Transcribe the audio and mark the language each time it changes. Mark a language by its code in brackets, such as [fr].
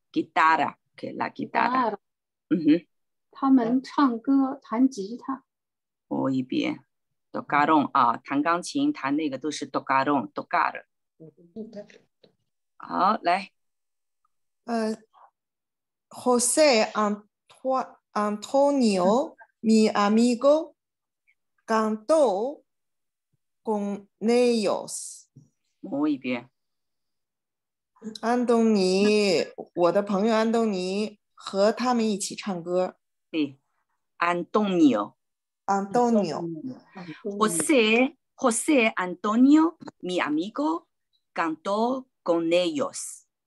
[es] Guitarra, que la guitarra. Guitarra.、 Uh-huh. [zh] 他们唱歌、uh-huh. 弹吉他。 [es] Muy bien. [zh] Tocaron,、弹钢琴弹那个都是 tocaron, tocar. 好来。 [es] José Antonio, mi amigo, cantó,con ellos. Muy bien. [zh] Antoni, 我的朋友 Antoni, 和他们一起唱歌。 [es] Sí. Antonio. Antonio. José, José Antonio, mi amigo, cantó con ellos.